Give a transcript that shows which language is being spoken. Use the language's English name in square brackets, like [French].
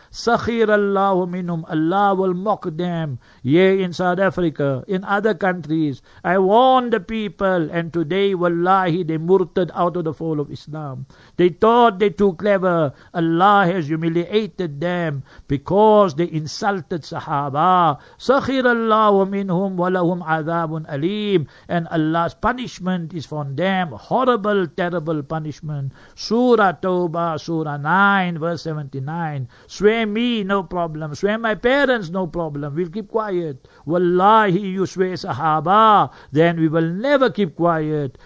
[English] Sakhir Allahu minhum. Allah will mock them. Yea, in South Africa, in other countries. I warn the people, and today, wallahi, they murtad out of the fall of Islam. They thought they too clever. Allah has humiliated them. because they insulted Sahaba. [Arabic] سخر الله منهم ولهم عذاب أليم. [English] And Allah's punishment is from them. Horrible, terrible punishment. Surah Tawbah, Surah 9, verse 79. Swear me, no problem. Swear my parents, no problem. We'll keep quiet. Wallahi, you swear Sahaba, then we will never keep quiet.